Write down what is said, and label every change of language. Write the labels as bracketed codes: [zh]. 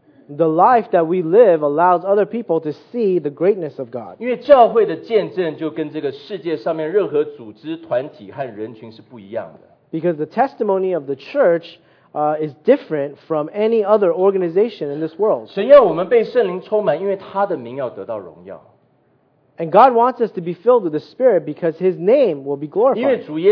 [en] The life that we live allows other people to see the greatness of God. [zh] 因为教会的见证就跟这个世界上面任何组织、团体和人群是不一样的。 [en] Because the testimony of the church is different from any other organization in this world. [zh] 神要我们被圣灵充满，因为他的名要得到荣耀。 [en] And God wants us to be filled with the Spirit because His name will be glorified.